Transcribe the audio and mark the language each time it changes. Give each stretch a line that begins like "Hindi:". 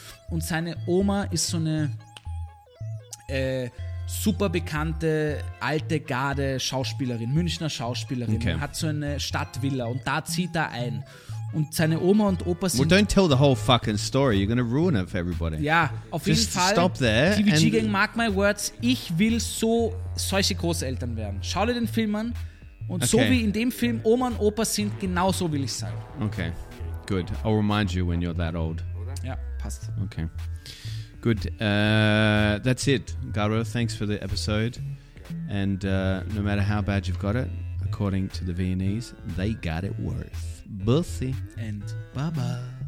German: Und seine Oma ist so eine super bekannte alte Garde-Schauspielerin, Münchner Schauspielerin.
English: Okay.
German: Hat so eine Stadtvilla und da zieht er ein. Und seine Oma und Opa sind...
English: Well, don't tell the whole fucking story. You're gonna ruin it for everybody.
German: Ja, auf jeden Fall.
English: Stop there. TVG-Gang, mark my words.
German: Ich will so solche Großeltern werden. Schau dir den Film an. Und so wie in dem Film Oma und Opa sind, genau so will ich sein.
English: Okay, good. I'll remind you when you're that old.
German: Ja, passt.
English: Okay. Good. That's it, Garo. Thanks for the episode. And no matter how bad you've got it, according to the Viennese, they got it worse.
German: Bussi.
English: And Baba.